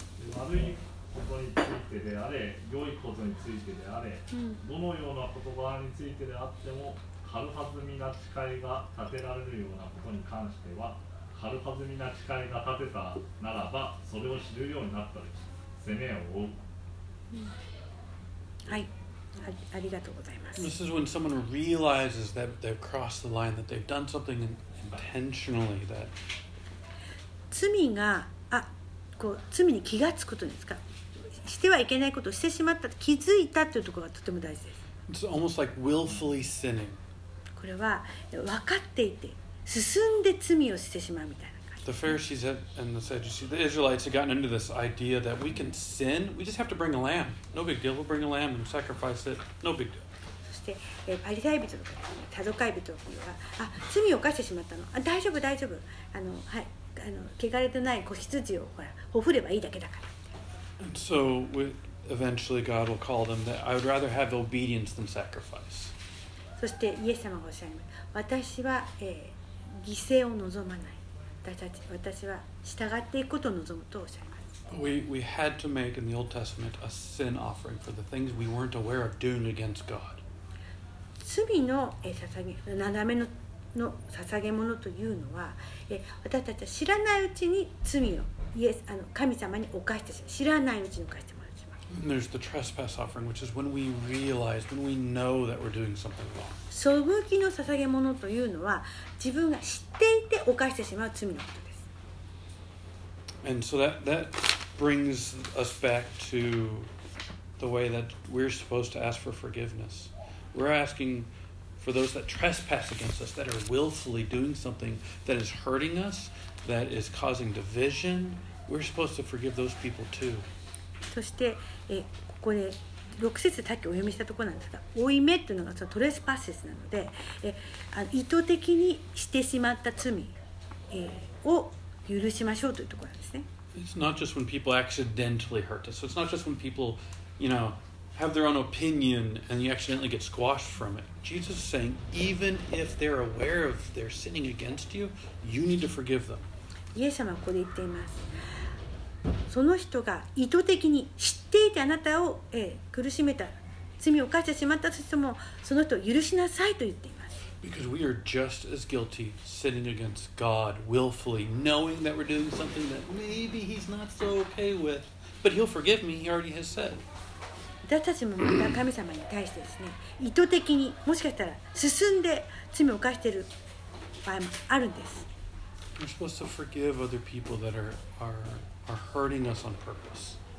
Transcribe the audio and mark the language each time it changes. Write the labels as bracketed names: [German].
[Japanese] 悪いことについてであれ、良いことについてであれ、どのような言葉についてであっても、軽はずみな誓いが立てられるようなことに関しては、軽はずみな誓いが立てたならば、それを知るようになったでしょう。責めを負う。はい。ありがとうございます。 [English] This is when someone realizes that they've crossed the line, that they've done something intentionally that [Japanese] 罪が、あ、こう、罪に気がつくことですか。してはいけないことをしてしまった、気づいたというところがとても大事です。 [English] It's almost like willfully sinning. [Japanese] これは分かっていて、進んで罪をしてしまうみたいな感じ。 [English] The Pharisees and the Sadducees, the Israelites had gotten into this idea that we can sin, we just have to bring a lamb. No big deal, we'll bring a lamb and sacrifice it. No big deal. [Japanese] パリサイ人とかサドカイ人というのは、あ、罪を犯してしまったの、あ、大丈夫大丈夫、あの、はい、あの、汚れてない子羊をほら、ほふればいいだけだから。 [English] And so we, eventually God will call them that I would rather have obedience than sacrifice. [Japanese] そしてイエス様がおっしゃいます。私は、犠牲を望まない。私は従っていくことを望むとおっしゃいます。 [English] We had to make in the Old Testament a sin offering for the things we weren't aware of doing against God. [Japanese] 罪の捧げ、斜めの捧げ物というのは、私たちは知らないうちに罪をイエス、あの、神様に犯してしまう、知らないうちに犯してもらってしまう。 [English] There's the trespass offering, which is when we realize, when we know that we're doing something wrong. [Japanese] 罪深きの捧げ物というのは、自分が知っていて犯してしまう罪のことです。 [English] And so that brings us back to the way that we're supposed to ask for forgiveness. We're asking for those that trespass against us, that are willfully doing something that is hurting us, that is causing division. We're supposed to forgive those people too. [Japanese] そして、ここで6節さっきお読みしたところなんですが、負い目というのがそのトレスパスなので、意図的にしてしまった罪、を許しましょうというところなんですね。 [English] It's not just when people accidentally hurt us. So it's not just when people, you know,have their own opinion and you accidentally get squashed from it. Jesus is saying, even if they're aware of their sinning against you, you need to forgive them. [Japanese] イエス様はここで言っています。その人が意図的に知っていてあなたを、苦しめた、罪を犯してしまったとしても、その人を許しなさいと言っています。 [English] Because we are just as guilty sinning against God willfully, knowing that we're doing something that maybe he's not so okay with, but he'll forgive me, he already has said. [Japanese] 私たちもまた神様に対してですね、意図的にもしかしたら進んで罪を犯している場合もあるんです。 [English] We're supposed to forgive other people that are hurting us on purpose.